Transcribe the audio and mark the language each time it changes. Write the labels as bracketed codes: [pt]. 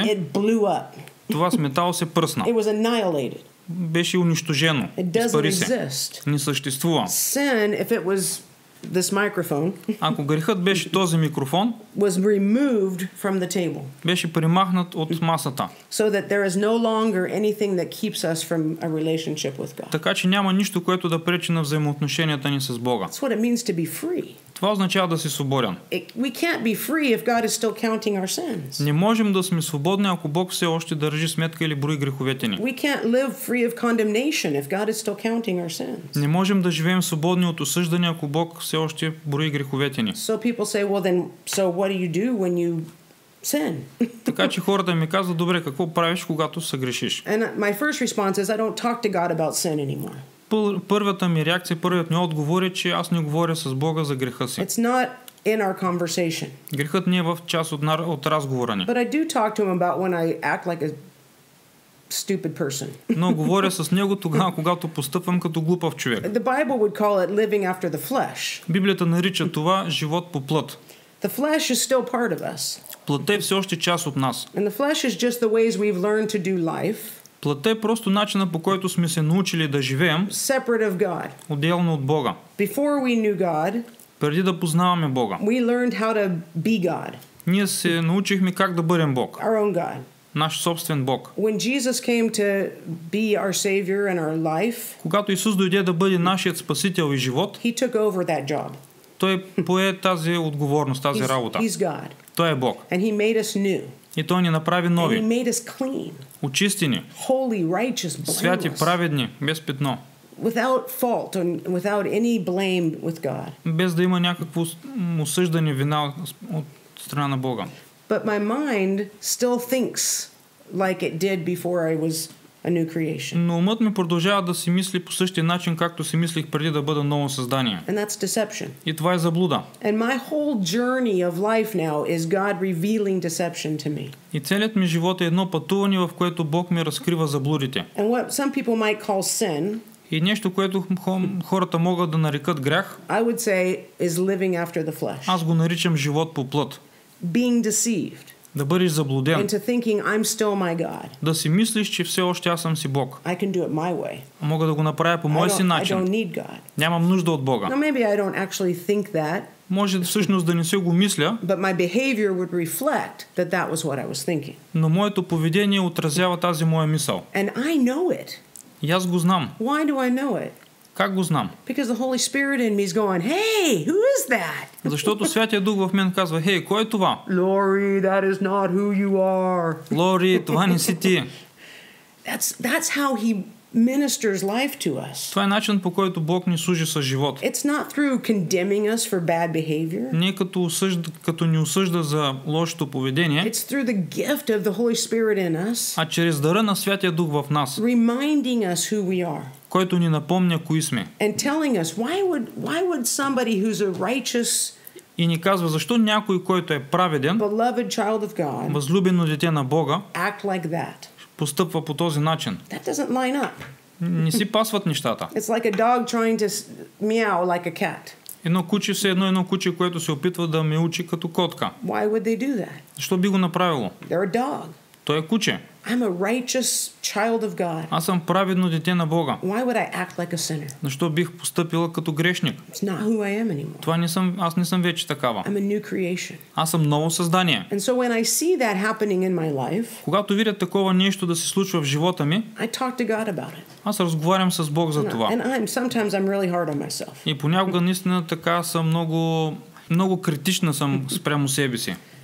[en] it blew up. [bg] Това сметало се пръсна. [en] It was annihilated. [bg] Беше унищожено. [en] It doesn't exist. [bg] Не съществува. [en] Sin, if it was this microphone, [bg] ако грехът беше този микрофон, [en] was removed from the table. [bg] Беше примахнат от масата. [en] So that there is no longer anything that keeps us from a relationship with God. [bg] Така че няма нищо, което да пречи на взаимоотношенията ни с Бога. [en] That's what it means to be free. [bg] Това означава да си свободен. [en] We can't be free if God is still counting our sins. [bg] Не можем да сме свободни, ако Бог все още държи сметка или брои греховете ни. [en] We can't live free of condemnation if God is still counting our sins. [bg] Не можем да живеем свободни от осъждане, ако Бог все още брои греховете ни. [en] So people say, well then, so what do you do when you sin? [bg] Така че хората ми казват, добре, какво правиш, когато съгрешиш? [en] And my first response is, I don't talk to God about sin anymore. [bg] Първата ми реакция, първият ми отговор е, че аз не говоря с Бога за греха си. [en] It's not in our conversation. [bg] Грехът не е в част от разговора ни. [en] But I do talk to him about when I act like a stupid person. [bg] Но говоря с него тогава, когато постъпвам като глупав човек. [en] The Bible would call it living after the flesh. [bg] Библията нарича това живот по плът. [en] The flesh is still part of us. [bg] Плътът е все още част от нас. [en] And the flesh is just the ways we've learned to do life. [bg] Плътът е просто начина, по който сме се научили да живеем, отделно от Бога. [en] Before we knew God, [bg] преди да познаваме Бога, [en] we learned how to be God. [bg] Ние се научихме как да бъдем Бог. [en] Our own God. [bg] Наш собствен Бог. [en] When Jesus came to be our savior and our life, [bg] когато Исус дойде да бъде нашият спасител и живот, [en] he took over that job. [bg] Той пое тази отговорност, тази работа. [en] He's God. [bg] Той е Бог. [en] And he made us new. [bg] И Той ни направи нови. [en] And he made us clean. [bg] Очистени. [en] Holy, righteous, blameless. [bg] Святи, праведни, без петно. [en] Without fault and without any blame with God. [bg] Без да има някакво осъждане, вина от страна на Бога. [en] But my mind still thinks like it did before I was a new creation. [bg] Но умът ми продължава да си мисли по същия начин, както си мислих преди да бъда ново създание. [en] And that's deception. [bg] И това е заблуда. [en] And my whole journey of life now is God revealing deception to me. [bg] И целият ми живот е едно пътуване, в което Бог ми разкрива заблудите. [en] And what some people might call sin, [bg] и нещо, което хората могат да нарекат грях, [en] I would say is living after the flesh. [bg] Аз го наричам живот по плът. [en] Being deceived. [bg] Да бъдеш заблуден. [en] And to thinking, I'm still my God. [bg] Да си мислиш, че все още аз съм си Бог. [en] I can do it my way. [bg] Мога да го направя по моя си начин. [en] I don't need God. [bg] Нямам нужда от Бога. [en] Now, maybe I don't actually think that. [bg] Може всъщност да не се го мисля. [en] But my behavior would reflect that that was what I was thinking. [bg] Но моето поведение отразява тази моя мисъл. [en] And I know it. [bg] И аз го знам. [en] Why do I know it? [bg] Как го знам? [en] Because the Holy Spirit in me is going, "Hey, who is that?" [bg] Защото Святия Дух в мен казва: "Хей, кой е това?" [en] Lori, that is not who you are. [bg] Lori, това не си ти. [en] That's how he ministers life to us. [bg] Това е начин, по който Бог ни служи с живот. [en] It's not through condemning us for bad behavior. [bg] Не като ни осъжда за лошото поведение. [en] It's through the gift of the Holy Spirit in us. [bg] А чрез дара на Святия Дух в нас. [en] Reminding us who we are. [bg] Който ни напомня кои сме. [en] And telling us why would somebody who's a righteous, [bg] и ни казва защо някой, който е праведен, [en] beloved child of God, [bg] възлюбено дете на Бога, [en] act like that. [bg] Постъпва по този начин. [en] That doesn't line up. [bg] Не си пасват нещата. [en] It's like a dog trying to meow like a cat. [bg] Едно куче, все едно куче, което се опитва да мяучи като котка. [en] Why would they do that? [bg] Защо би го направило? [en] They're a dog. [bg] Той е куче. [en] I'm a righteous child of God. [bg] Аз съм праведно дете на Бога. [en] Why would I act like a sinner? [bg] Защо бих постъпила като грешник? [en] It's not who I am anymore. [bg] Това не съм, аз не съм вече такава. [en] I'm a new creation. [bg] Аз съм ново създание. [en] And so when I see that happening in my life, [bg] когато видя такова нещо да се случва в живота ми, [en] I talk to God about it. [bg] Аз разговарям с Бог за това. [en] And sometimes I'm really hard on myself. [bg] И понякога наистина така съм много критична съм спрямо себе си.